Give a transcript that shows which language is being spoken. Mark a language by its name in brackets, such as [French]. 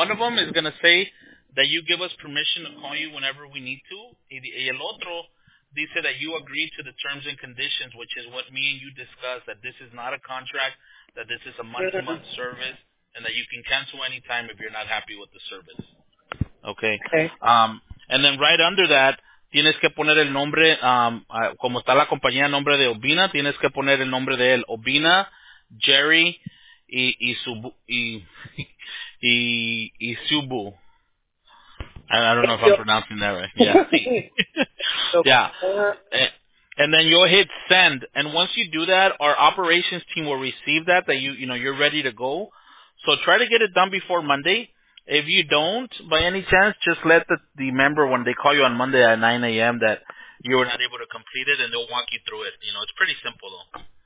[English] One of them is going to say that you give us permission to call you whenever we need to. [Spanish] Y el otro dice [English] that you agree to the terms and conditions, which is what me and you discussed, that this is not a contract, that this is a month-to-month service, and that you can cancel any time if you're not happy with the service. Okay. Okay. And then right under that, [Spanish] tienes que poner el nombre, como está la compañía, nombre de Obina, tienes que poner el nombre de él, Obina, Jerry, Isubu. [English] I don't know if I'm pronouncing that right. Yeah. Yeah. And then you'll hit send. And once you do that, our operations team will receive that you know, you're ready to go. So try to get it done before Monday. If you don't, by any chance, just let the member, when they call you on Monday at 9 a.m., that you were not able to complete it, and they'll walk you through it. You know, it's pretty simple, though.